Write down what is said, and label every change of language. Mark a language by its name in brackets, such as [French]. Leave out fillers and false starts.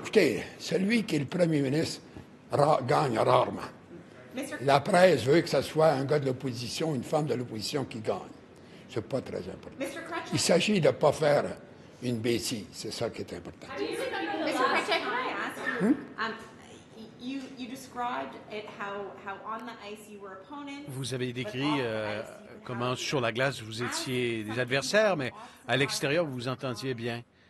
[French] Écoutez, celui qui est le premier ministre gagne rarement. La presse veut que ce soit un gars de l'opposition, une femme de l'opposition qui gagne. Ce n'est pas très important. Il s'agit de ne pas faire une bêtise. C'est ça qui est important. [English] M. Krajicek, can I ask you? You described it how on the ice you were opponents. [French] Vous avez décrit comment sur la glace vous étiez des adversaires, mais à l'extérieur vous entendiez bien.